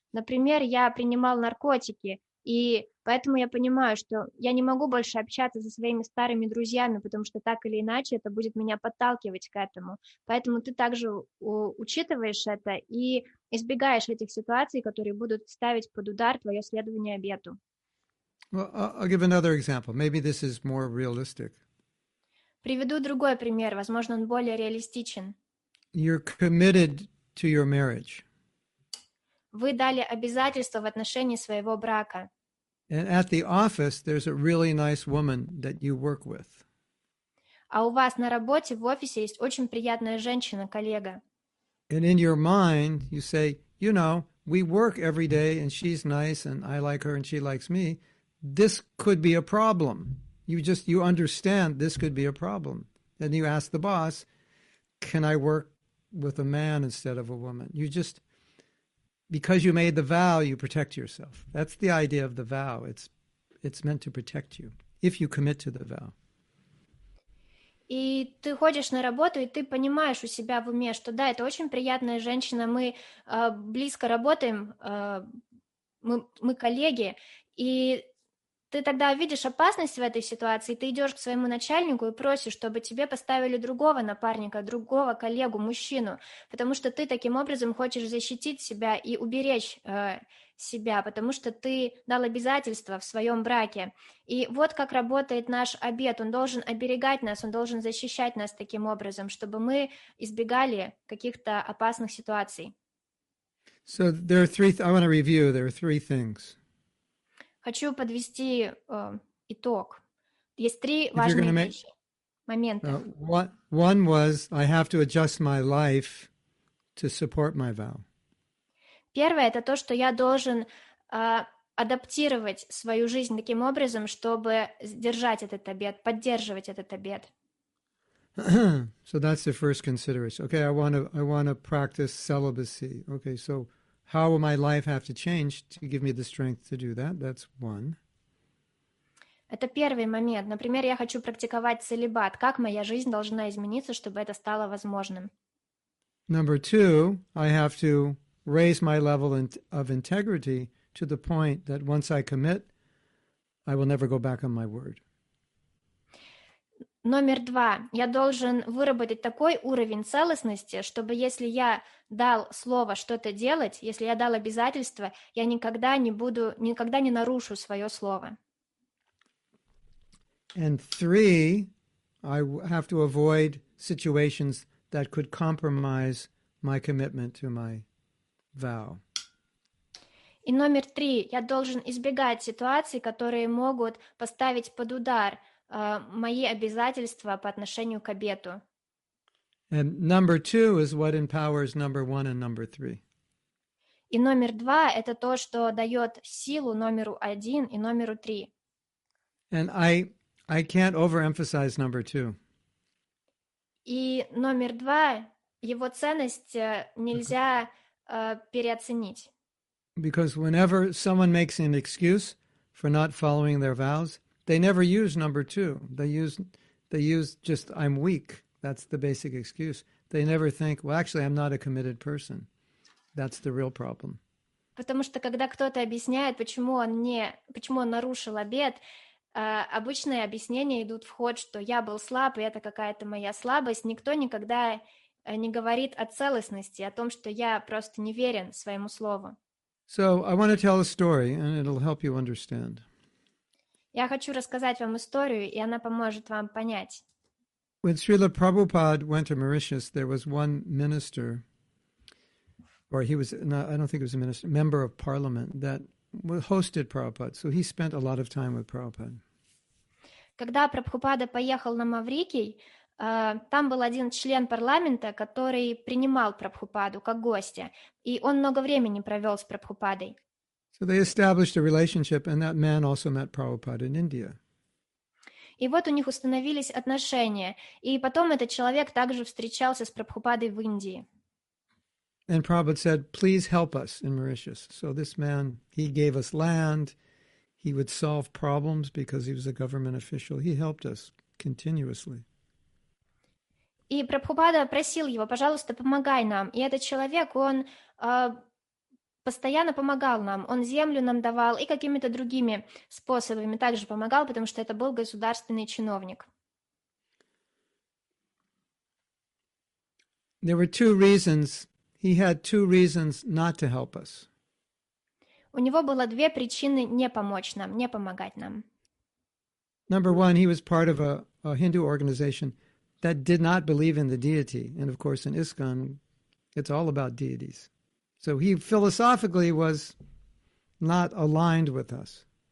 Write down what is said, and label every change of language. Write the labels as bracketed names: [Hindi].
[Russian] Например, я принимал наркотики, и поэтому я понимаю, что я не могу больше общаться со своими старыми друзьями, потому что так или иначе это будет меня подталкивать к этому. Поэтому ты также учитываешь это и избегаешь этих ситуаций, которые будут ставить под удар твое следование обету. [English] Well, I'll give another example. Maybe this is more realistic. [Russian] Приведу другой пример. Возможно, он более реалистичен. [English] You're committed to your marriage. [Russian] Вы дали обязательство в отношении своего брака. [English] And at the office, there's a really nice woman that you work with. [Russian] а у вас на работе, в офисе есть очень приятная женщина, коллега. [English] And in your mind, you say, you know, we work every day, and she's nice, and I like her, and she likes me. This could be a problem. You understand this could be a problem. And you ask the boss, can I work with a man instead of a woman? You just, because you made the vow, you protect yourself. That's the idea of the vow. It's meant to protect you if you commit to the vow. [Russian] И ты ходишь на работу, и ты понимаешь у себя в уме, что да, это очень приятная женщина, мы близко работаем, мы коллеги, и ты тогда видишь опасность в этой ситуации, ты идешь к своему начальнику и просишь, чтобы тебе поставили другого напарника, другого коллегу, мужчину, потому что ты таким образом хочешь защитить себя и уберечь себя, потому что ты дал обязательства в своем браке. И вот как работает наш обет. Он должен оберегать нас, он должен защищать нас таким образом, чтобы мы избегали каких-то опасных ситуаций. [English] So there are three, I want to review, there are three things. [Russian] Хочу подвести итог. Есть три важные вещи, моменты. [English] One was, I have to adjust my life to support my vow. [Russian] Первое — это то, что я должен адаптировать свою жизнь таким образом, чтобы сдержать этот обет, поддерживать этот обет. [English] So that's the first consideration. Okay, I want to practice celibacy. Okay, so how will my life have to change to give me the strength to do that? That's one. [Russian] Это первый момент. Например, я хочу практиковать целибат. Как моя жизнь должна измениться, чтобы это стало возможным? [English] Number two, I have to raise my level of integrity to the point that once I commit, I will never go back on my word. [Russian] Номер два. Я должен выработать такой уровень целостности, чтобы если я дал слово что-то делать, если я дал обязательство, я никогда не нарушу свое слово. [English] And three, I have to avoid situations that could compromise my commitment to my vow. [Russian] И номер три, я должен избегать ситуаций, которые могут поставить под удар мои обязательства по отношению к обету. [English] And number two is what empowers number one and number three. [Russian] И номер два — это то, что дает силу номеру один и номеру три. [English] And I can't overemphasize number two. [Russian] И номер два, его ценность нельзя переоценить. [English] Because whenever someone makes an excuse for not following their vows, they never use number two. They use just, I'm weak. That's the basic excuse. They never think, well, actually, I'm not a committed person. That's the real problem. [Russian] Потому что когда кто-то объясняет, почему он нарушил обет, обычные объяснения идут в ход, что я был слаб, и это какая-то моя слабость. Никто никогда не говорит о целостности, о том, что я просто не верен своему слову. [English] So I want to tell a story, and it'll help you understand. [Russian] Я хочу рассказать вам историю, и она поможет вам понять. [English] When Srila Prabhupada went to Mauritius, there was one minister, or he was, no, I don't think he was a minister, member of parliament that hosted Prabhupada. So he spent a lot of time with Prabhupada. [Russian] Когда Прабхупада поехал на Маврикий, там был один член парламента, который принимал Прабхупаду как гостя, и он много времени провел с Прабхупадой. [English] So they established a relationship, and that man also met Prabhupada in India. [Russian] И вот у них установились отношения, и потом этот человек также встречался с Прабхупадой в Индии. [English] And Prabhupada said, please help us in Mauritius. So this man, he gave us land, he would solve problems because he was a government official. He helped us continuously. [Russian] И Прабхупада просил его, пожалуйста, помогай нам. И этот человек, он постоянно помогал нам. Он землю нам давал и какими-то другими способами также помогал, потому что это был государственный чиновник. [English] There were two reasons. He had two reasons not to help us. [Russian] У него было две причины не помочь нам, не помогать нам. [English] Number one, he was part of a Hindu organization that did not believe in the deity. And of course, in ISKCON, it's all about deities. So he philosophically was not aligned with us.